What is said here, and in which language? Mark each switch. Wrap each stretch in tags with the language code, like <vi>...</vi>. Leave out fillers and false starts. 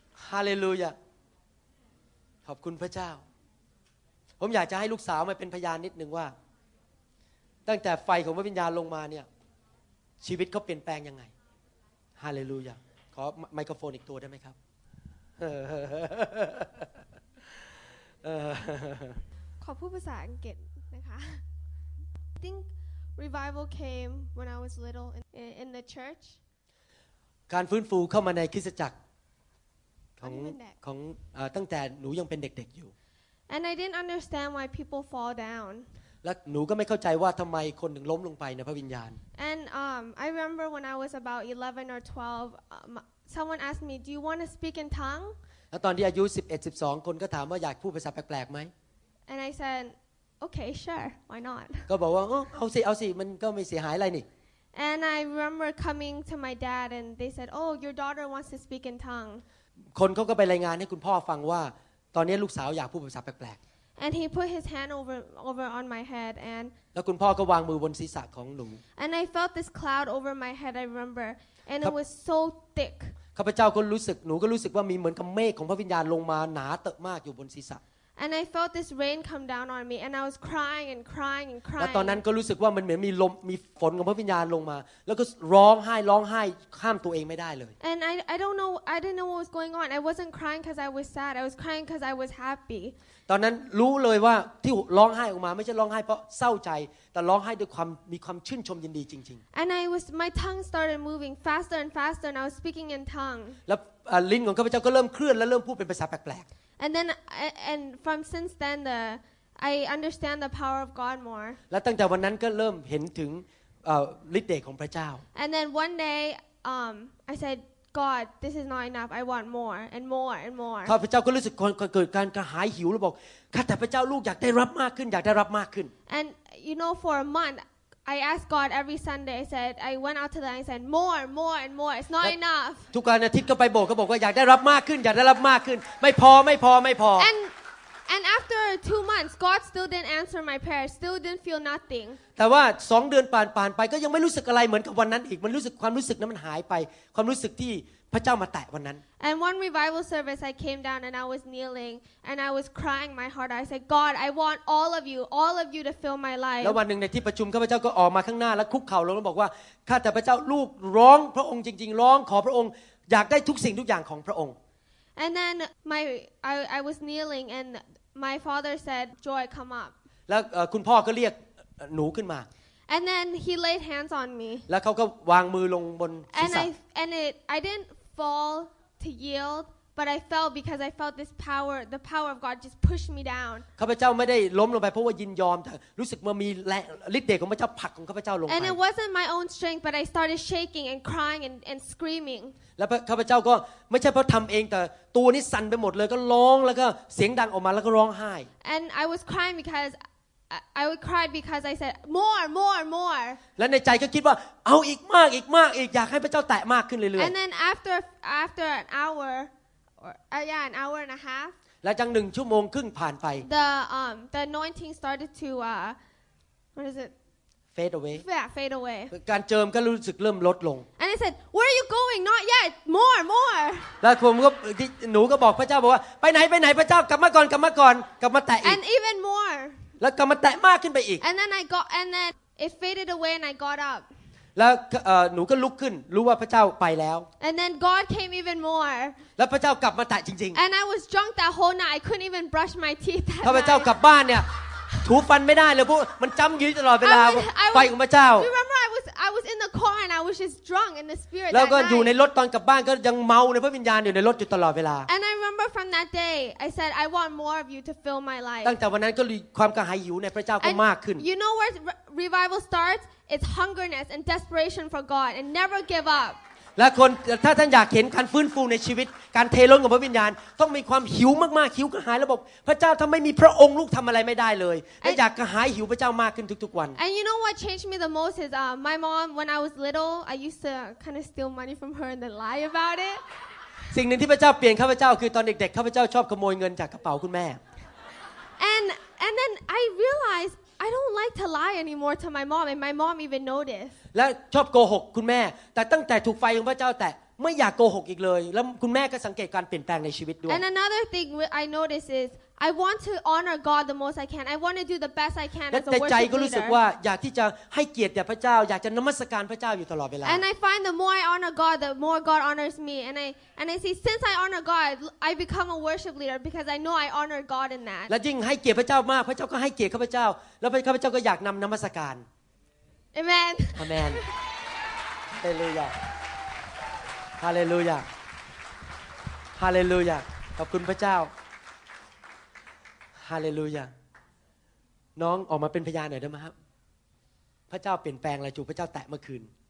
<th>ฮาเลลูยาขอบคุณพระเจ้าผมอยากจะให้ลูกสาวมาเป็นพยานนิดนึงว่าตั้งแต่ไฟของพระวิญญาณลงมาเนี่ยชีวิตเขาเปลี่ยนแปลงยังไงฮาเลลูยาขอไมโครโฟนอีกตัวได้ไหมครับ ขอพูดภาษาอังกฤษนะคะ</th> <en>I think revival came when I was little in the church</en> <th>การฟื้นฟูเข้ามาในคริสตจักรของตั้งแต่หนูยังเป็นเด็กๆอยู่</th> <en>And I didn't understand why people fall down</en> <th>และหนูก็ไม่เข้าใจว่าทำไมคนถึงล้มลงไปในพระวิญญาณ</th> <en>And I remember when I was about 11 or 12someone asked me do you want to speak in tongue</en> <th>ตอนที่อายุ11 12คนก็ถามว่าอยากพูดภาษาแปลกๆมั้ย</th> <en>And I said okay sure why not</en> <th>ก็บอกว่าเอาสิมันก็ไม่เสียหายอะไรนี่</th> <en>And I remember coming to my dad and they said oh your daughter wants to speak in tongue</en> <th>คนเค้าก็ไปรายงานให้คุณพ่อฟังว่าตอนนี้ลูกสาวอยากพูดภาษาแปลก</th> <en>ๆ And he put his hand over on my head and</en> <th>แล้วคุณพ่อก็วางมือบนศีรษะของหนู</th> <en>And I felt this cloud over my head I remember and it was so thick</en> <th>ข้าพเจ้าก็รู้สึกหนูก็รู้สึกว่ามีเหมือนกับเมฆของพระวิญญาณลงมาหนาเตอะมากอยู่บนศีรษะ</th> <en>And I felt this rain come down on me and I was crying and crying and crying</en> <th>และตอนนั้นก็รู้สึกว่ามันเหมือนมีลมมีฝนของพระวิญญาณลงมาแล้วก็ร้องไห้ห้ามตัวเองไม่ได้เลย</th> <en>And I didn't know what was going on I wasn't crying cuz I was sad I was crying cuz I was happy</en> <th>ตอนนั้นรู้เลยว่าที่ร้องไห้ออกมาไม่ใช่ร้องไห้เพราะเศร้าใจแต่ร้องไห้ด้วยความมีความชื่นชมยินดีจริง</th> <en>ๆ And I was my tongue started moving faster and faster and I was speaking in tongue</en> <th>แล้วลิ้นของข้าพเจ้าก็เริ่มเคลื่อนและเริ่มพูดเป็นภาษาแปลก</th> <en>ๆ And then and from since then the I understand the power of God more</en> <th>และตั้งแต่วันนั้นก็เริ่มเห็นถึงฤทธิ์เดชของพระเจ้า</th> <en>And then one day I saidGod, this is not enough. I want more and more and more.</en> <th>ข้าพเจ้าก็รู้สึกเกิดการกระหายหิวแล้วบอกข้าแต่พระเจ้าลูกอยากได้รับมากขึ้นอยากได้รับมากขึ้น</th> <en>And you know, for a month, I asked God every Sunday. I said, I went out to the and said, more, more and more. It's not enough.</en> <th>ทุกวันอาทิตย์ก็ไปโบสถ์ก็บอกว่าอยากได้รับมากขึ้นอยากได้รับมากขึ้นไม่พอ</th> <en>And after 2 months, God still didn't answer my prayer. Still didn't feel nothing.</en> <th>แต่ว่า2 เดือนผ่านไปก็ยังไม่รู้สึกอะไรเหมือนกับวันนั้นอีกมันรู้สึกความรู้สึกนั้นมันหายไปความรู้สึกที่พระเจ้ามาแตะวันนั้น</th> <en>And one revival service, I came down and I was kneeling and I was crying my heart. I said, God, I want all of you to fill my life.</en> <th>แล้ววันนึงในที่ประชุมข้าพเจ้าก็ออกมาข้างหน้าแล้วคุกเข่าลงแล้วบอกว่าข้าแต่พระเจ้าลูกร้องพระองค์จริงๆร้องขอพระองค์อยากได้ทุกสิ่งทุกอย่างของพระองค์</th> <en>And then I was kneeling andMy father said, "Joy, come up."</en> <th>แล้วคุณพ่อก็เรียกหนูขึ้นมา</th> <en>And then he laid hands on me.</en> <th>แล้วเขาก็วางมือลงบนศีรษะ</th> <en>And I didn't fall to yield, but I fell because I felt this power, the power of God, just push me down.</en> <th>ข้าพเจ้าไม่ได้ล้มลงไปเพราะว่ายินยอมแต่รู้สึกว่ามีแรงฤทธิ์เดชของพระเจ้าผลักของข้าพเจ้าลงไป</th> <en>And it wasn't my own strength, but I started shaking and crying and screaming.</en> <th>แล้วข้าพเจ้าก็ไม่ใช่เพราะทำเองแต่ตัวนี้สั่นไปหมดเลยก็ร้องแล้วก็เสียงดังออกมาแล้วก็ร้องไห้</th> <en>And I was crying because I would cry because I said more</en> <th>และในใจก็คิดว่าเอาอีกมากอีกอยากให้พระเจ้าแตะมากขึ้นเรื่อยๆ</th> <en>And then after an hour or yeah an hour and a half</en> <th>และจัง1ชั่วโมงครึ่งผ่านไป</th> <en>the anointing started to what is it Fade away.</en> <th>การเจิมก็รู้สึกเริ่มลดลง</th> <en>And I said, "Where are you going? Not yet. More."</en> <th>แล้วผมก็หนูก็บอกพระเจ้าบอกว่าไปไหนพระเจ้ากลับมาก่อนกลับมาแตะอีก</th> <en>And even more.</en> <th>แล้วกลับมาแตะมากขึ้นไปอีก</th> <en>And then it faded away and I got up.</en> <th>แล้วหนูก็ลุกขึ้นรู้ว่าพระเจ้าไปแล้ว</th> <en>And then God came even more</en> <th>แล้วพระเจ้ากลับมาแตะจริง</th> <en>ๆ And I was drunk that whole night I couldn't even brush my teeth</en> <th>พระเจ้ากลับบ้านเนี่ยถูฟันไม่ได้เลยพวกมันจ้ำยืดตลอดเวลาไฟของพระเจ้า</th> <en>Remember I was in the car and I was just drunk in the spirit</en> <th>แล้วก็อยู่ในรถตอนกลับบ้านก็ยังเมาในพระวิญญาณอยู่ในรถอยู่ตลอดเวลา</th> <en>And I remember from that day I said I want more of you to fill my life</en> <th>ตั้งแต่วันนั้นก็มีความกระหายหิวในพระเจ้าก็มากขึ้น</th> <en>You know where revival startsIt's hungerness and desperation for God and never give up.</en> <th>และคนถ้าท่านอยากเห็นการฟื้นฟูในชีวิตการเทล้นของพระวิญญาณต้องมีความหิวมากๆหิวกระหายระบบพระเจ้าถ้าไม่มีพระองค์ลูกทำอะไรไม่ได้เลยและอยากกระหายหิวพระเจ้ามากขึ้นทุกๆวัน</th> <en>And you know what changed me the most is my mom when I was little I used to kind of steal money from her and then lie about it.</en> <th>สิ่งนึงที่พระเจ้าเปลี่ยนข้าพเจ้าคือตอนเด็กๆข้าพเจ้าชอบขโมยเงินจากกระเป๋าคุณแม่</th> <en>And then I realizedI don't like to lie anymore to my mom, and my mom even noticed.</en> <th>และชอบโกหกคุณแม่แต่ตั้งแต่ถูกไฟของพระเจ้าแตะไม่อยากโกหกอีกเลยแล้วคุณแม่ก็สังเกตการเปลี่ยนแปลงในชีวิตด้วย</th> <en>And another thing I notice is I want to honor God the most I can. I want to do the best I can as a worship leader.</en> <th>และใจก็รู้สึกว่าอยากที่จะให้เกียรติแด่พระเจ้าอยากจะนมัสการพระเจ้าอยู่ตลอดเวลา</th> <en>And I find the more I honor God, the more God honors me. And I see since I honor God, I become a worship leader because I know I honor God in that.</en> <th>และยิ่งให้เกียรติพระเจ้ามากพระเจ้าก็ให้เกียรติข้าพเจ้าแล้วข้าพเจ้าก็อยากนำนมัสการ</th> <en>Amen. Amen. Hallelujah.</en> <th>ฮาเลลูยาฮาเลลูยาขอบคุณพระเจ้าฮาเลลูยาน้องออกมาเป็นพยานหน่อยได้ไหมครับพระเจ้าเปลี่ยนแปลงอะไรจูพระเจ้าแตะเมื่อคืน</th>